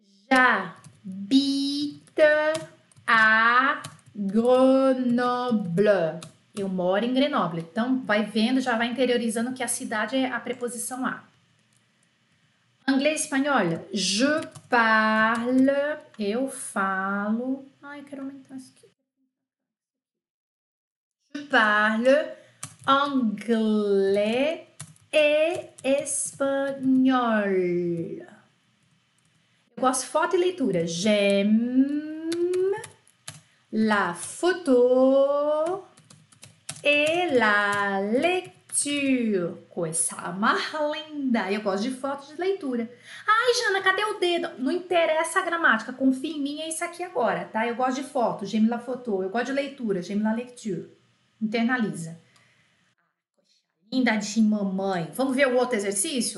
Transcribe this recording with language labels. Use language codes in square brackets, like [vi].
[fr] J'habite à Grenoble. [pt] Eu moro em Grenoble. Então, vai vendo, já vai interiorizando que a cidade é a preposição A. Inglês, espanhol. [fr] Je parle. [pt] Eu falo. Ai, eu quero aumentar isso aqui. [fr] Je parle anglais et espagnol. [pt] Eu gosto de foto e leitura. [fr] J'aime la photo et la lecture. [pt] Coisa mais linda. Eu gosto de foto e de leitura. Ai, Jana, cadê o dedo? Não interessa a gramática. Confia em mim, é isso aqui agora, tá? Eu gosto de foto. [fr] J'aime la photo. [pt] Eu gosto de leitura. [fr] J'aime la lecture. [pt] Internaliza. Linda de mamãe. Vamos ver o outro exercício?